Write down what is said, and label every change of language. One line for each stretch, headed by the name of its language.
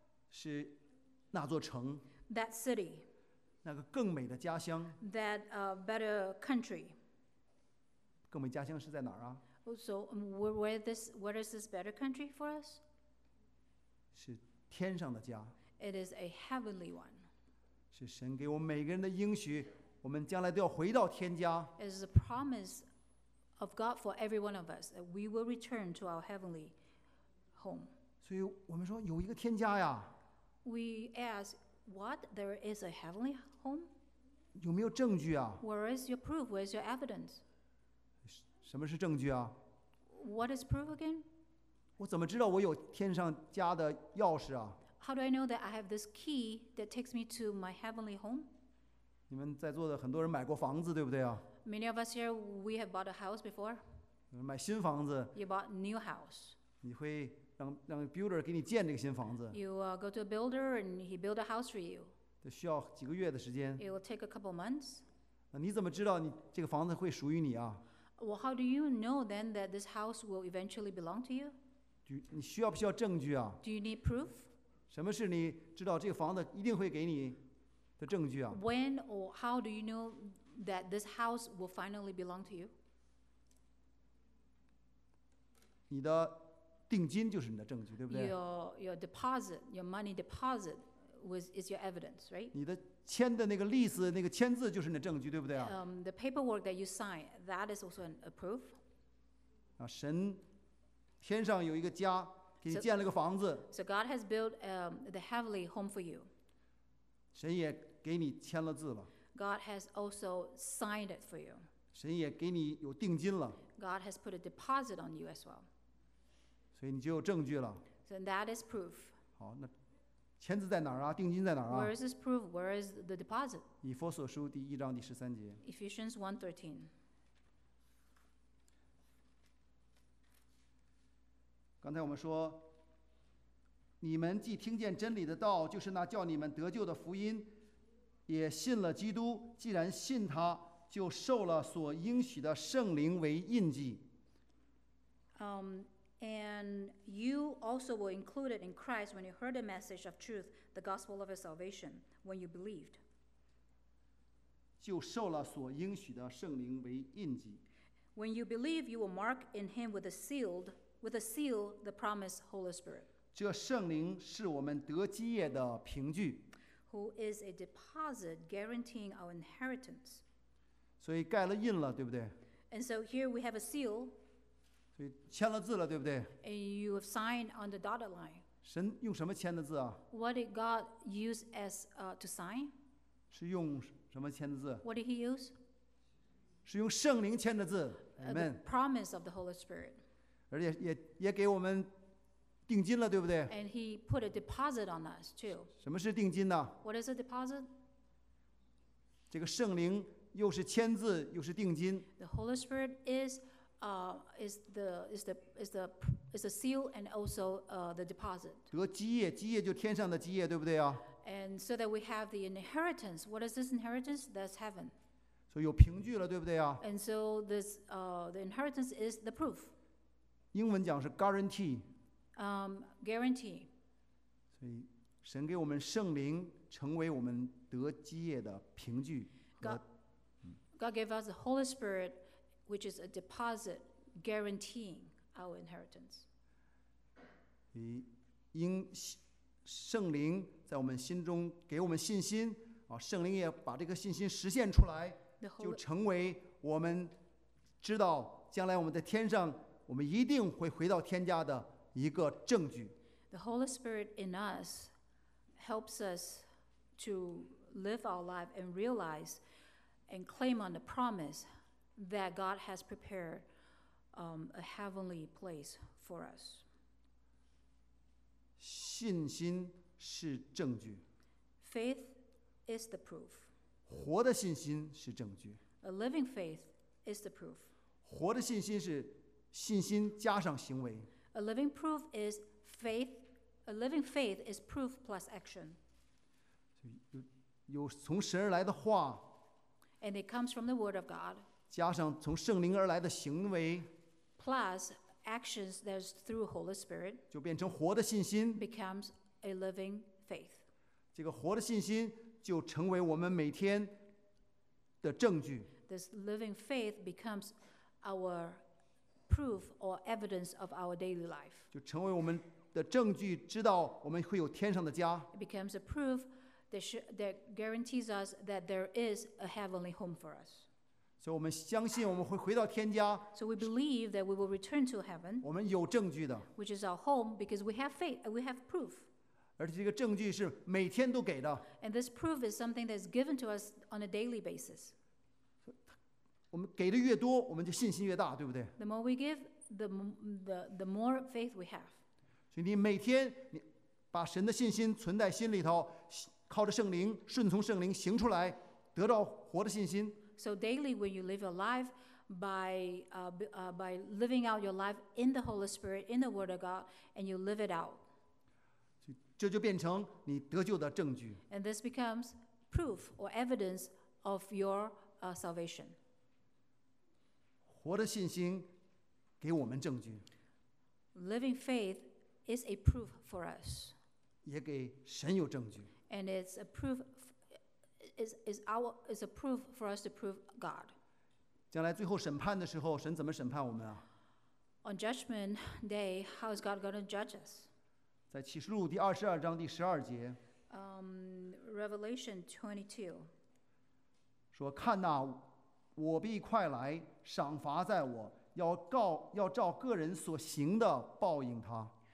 Chinese: 是那座城。
English: That city.
Chinese: 那个更美的家乡。
English: That better country.
Chinese: 更美家乡是在哪儿啊？
English: So where is this better country for us?
Chinese: 是天上的家。
English: It is a heavenly one.
Chinese: 是神给我们每个人的应许。我们将来都要回到天家。
English: It is a promise of God for every one of us that we will return to our heavenly home.
Chinese: 所以我们说有一个天家呀。
English: We ask, what? There is a heavenly home?
Chinese: 有没有证据啊？
English: Where is your proof? Where is your evidence?
Chinese: 什么是证据啊？
English: What is proof again?
Chinese: 我怎么知道我有天上家的钥匙啊？
English: How do I know that I have this key that takes me to my heavenly home?
Chinese: 你们在座的很多人买过房子，对不对啊？
English: Many of us here, we have bought a house before.
Chinese: 买新房子。
English: You bought new house.
Chinese: 你会让 builder 给你建这个新房子。
English: You go to a builder and he build a house for you.
Chinese: 这需要几个月的时间。
English: It will take a couple months.
Chinese: 你怎么知道你这个房子会属于你啊？
English: Well, how do you know then that this house will eventually belong to you?
Chinese: 你需要不需要证据啊？
English: Do you need proof?
Chinese: 什么是你知道这个房子一定会给你的证据啊？
English: When or how do you know that this house will finally belong to you?
Chinese: 你的定金就是你的证据，对不对？
English: Your deposit, your money deposit is your evidence, right?
Chinese: 你的签的那个 lease 那个签字就是你的证据，对不对啊？
English: The paperwork that you sign, that is also a proof.
Chinese: 啊，神天上有一个家，给你建了个房子。
English: So God has built the heavenly home for you.
Chinese: 神也给你签了字了。
English: God has also signed it for you.
Chinese: 神也给你有定金了。
English: God has put a deposit on you as well.
Chinese: 所以你就有证据了。
English: So that is proof.
Chinese: 好，那签字在哪儿啊？定金在哪儿啊？
English: Where is this proof? Where is the deposit?
Chinese: 以弗所书第一章第十三节。
English: Ephesians 1:13.
Chinese: 刚才我们说，你们既听见真理的道，就是那叫你们得救的福音，也信了基督，既然信他，就受了所应许的圣灵为印记。
English: And you also were included in Christ when you heard the message of truth, the gospel of his salvation, when you believed.
Chinese: 就受了所应许的圣灵为印记。
English: When you believe, you were marked in him with a seal, the promised Holy Spirit.
Chinese: 这圣灵是我们得基业的凭据。
English: Who is a deposit guaranteeing our inheritance.
Chinese: 所以盖了印了，对不对？
English: And so here we have a seal.
Chinese: 所以签了字了，对不对？
English: And you have signed on the dotted line.
Chinese: 神用什么签的字啊？
English: What did God use as to sign?
Chinese: 是用什么签的字？
English: What did he use?
Chinese: 是用圣灵签的字。Amen.
English: The promise of the Holy Spirit.
Chinese: 而且也给我们定金了，对不对？
English: And he put a deposit on us too.
Chinese: 什么是定金呢？
English: What is a deposit?
Chinese: 这个圣灵又是签字又是定金。
English: The Holy Spirit is the seal and also the deposit.
Chinese: 得基业，基业就天上的基业，对不对啊？
English: And so that we have the inheritance. What is this inheritance? That's heaven.
Chinese: 所以有凭据了，对不对啊？
English: And so this the inheritance is the proof.
Chinese: 英文讲是 guarantee.
English: Guarantee.
Chinese: 所以神给我们圣灵成为我们得基业的凭据和
English: God gave us the Holy Spirit. Which is a deposit guaranteeing our inheritance.
Chinese: 因圣灵在我们心中给我们信心，圣灵也把这个信心实现出来，就成为我们知道将来我们在天上，我们一定会回到天家的一个证据。
English: The Holy Spirit in us helps us to live our life and realize and claim on the promise. That God has prepared a heavenly place for us.
Chinese: 信心是证据。
English: Faith is the proof.
Chinese: 活的信心是证据。
English: A living faith is the proof.
Chinese: 活的信心是信心加上行为。
English: A living proof is faith. A living faith is proof plus action.
Chinese: 有从神而来的话。
English: And it comes from the word of God.
Chinese: 加上从圣灵而来的行为
English: ，plus actions that is through Holy Spirit，
Chinese: 就变成活的信心
English: ，becomes a living faith。
Chinese: 这个活的信心就成为我们每天的证据。
English: This living faith becomes our proof or evidence of our daily life。
Chinese: 就成为我们的证据，知道我们会有天上的家。
English: It becomes a proof that guarantees us that there is a heavenly home for us。
Chinese: 所以我们相信我们会回到天家。
English: So we believe that we will return to heaven.
Chinese: 我们有证据的。
English: Which is our home because we have faith, we have proof.
Chinese: 而且这个证据是每天都给的。
English: And this proof is something that is given to us on a daily basis.
Chinese: 我们给的越多，我们就信心越大，对不对
English: ？The more we give, the more faith we have.
Chinese: 所以你每天你把神的信心存在心里头，靠着圣灵顺从圣灵行出来，得到活的信心。
English: So daily when you live your life by living out your life in the Holy Spirit, in the Word of God, and you live it out.
Chinese: 这就变成你得救的证据。
English: And this becomes proof or evidence of your salvation.
Chinese: 活的信心给我们证据。
English: Living faith is a proof for us.
Chinese: 也给神有证据。
English: And it's a proof is a proof for us to prove God.
Chinese: 将来最后审判的时候，神怎么审判我们啊？
English: On judgment day, how is God going to judge us?
Chinese: 在启示录第二十二章第十二节。
English: Revelation 22.
Chinese: 说看哪，我必快来，赏罚在我，要照个人所行的报应他。